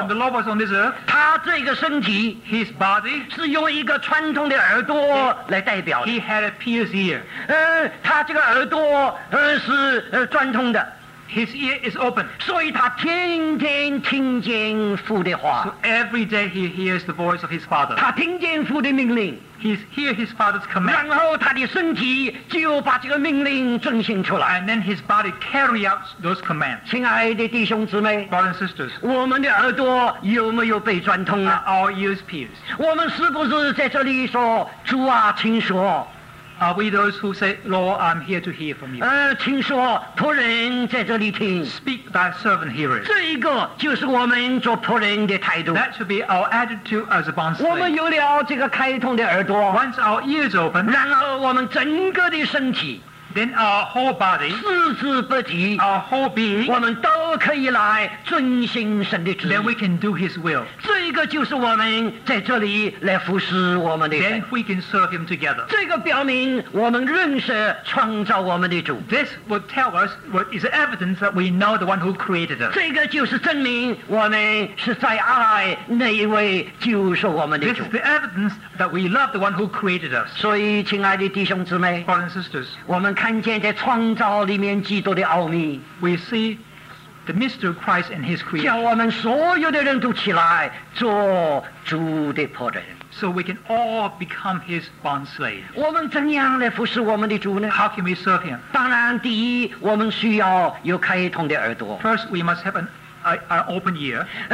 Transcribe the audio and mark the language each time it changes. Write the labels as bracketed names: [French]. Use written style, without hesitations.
[English] when the Lord was on this earth, [Chinese] 他这个身体, [English] his body, [Chinese] 是用一个穿通的耳朵来代表的, [English] he had a pierced ear. [Chinese] 他这个耳朵, 是穿通的, [English] his ear is open. [Chinese] 所以他天天听见父的话, [English] so every day he hears the voice of his father. [Chinese] 他听见父的命令, [English] he hears his father's command. [Chinese] 然后他的身体就把这个命令遵行出来, [English] and then his body carry out those commands. [Chinese] 亲爱的弟兄姊妹, [English] brothers and sisters, [Chinese] 我们的耳朵有没有被转通呢? [English] Are our ears pierced? [Chinese] 我们是不是在这里说, 主啊, 请说, [English] are we those who say, Lord, I'm here to hear from you? [Chinese] 听说仆人在这里听, [English] speak thy servant hearing. [Chinese] 这一个就是我们做仆人的态度, [English] that should be our attitude as a bond slave. [Chinese] 我们有了这个开通的耳朵, [English] once our ears open, [Chinese] 然后我们整个的身体, [English] then our whole body, [Chinese] 四肢不及, [English] our whole being, [Chinese] 我们都可以来遵行神的旨意, [English] then we can do his will. [Chinese] 这个就是我们在这里来服侍我们的, [English] then we can serve him together. [Chinese] 这个表明我们认识创造我们的主, [English] this will tell us what is evidence that we know the one who created us. [Chinese] 这个就是证明我们是在爱那一位救赎我们的主, [English] this is the evidence that we love the one who created us. [Chinese] 所以亲爱的弟兄姊妹, [English] brothers and sisters, [Chinese] 我们 看见在创造里面基督的奥秘, [English] we see the mystery of Christ and his creation, [Chinese] 叫我们所有的人都起来做主的仆人, [English] so we can all become his bond slave. [Chinese] 我们怎样来服侍我们的主呢? [English] How can we serve him? [Chinese] 当然第一, 我们需要有开通的耳朵, [English] first we must have an open ear.